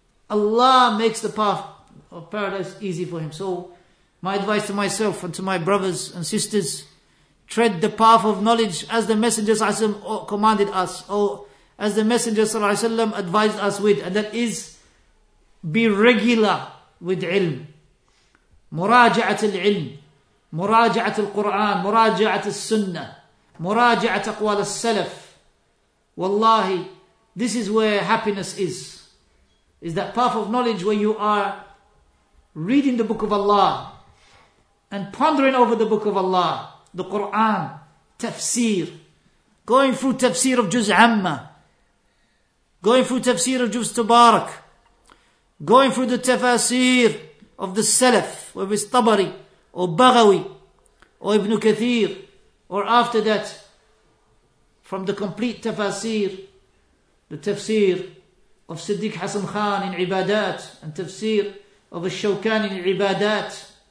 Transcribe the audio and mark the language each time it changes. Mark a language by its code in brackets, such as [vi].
[en] Allah makes the path of paradise easy for him. So my advice to myself and to my brothers and sisters, tread the path of knowledge as the Messenger commanded us, or as the Messenger advised us with, and that is be regular with ilm. [ar] مراجعة العلم مراجعة القرآن مراجعة السنة مراجعة أقوال السلف. [en] والله, this is where happiness is. Is that path of knowledge where you are reading the book of Allah and pondering over the book of Allah, the Quran, tafsir, going through tafsir of Juz Amma, going through tafsir of Juz Tubarak, going through the tafsir of the Salaf, whether it's Tabari or Baghawi or Ibn Kathir, or after that, from the complete tafsir, the tafsir of Siddiq Hasan Khan in Ibadat, and tafsir of Ash-Shawkani in Ibadat,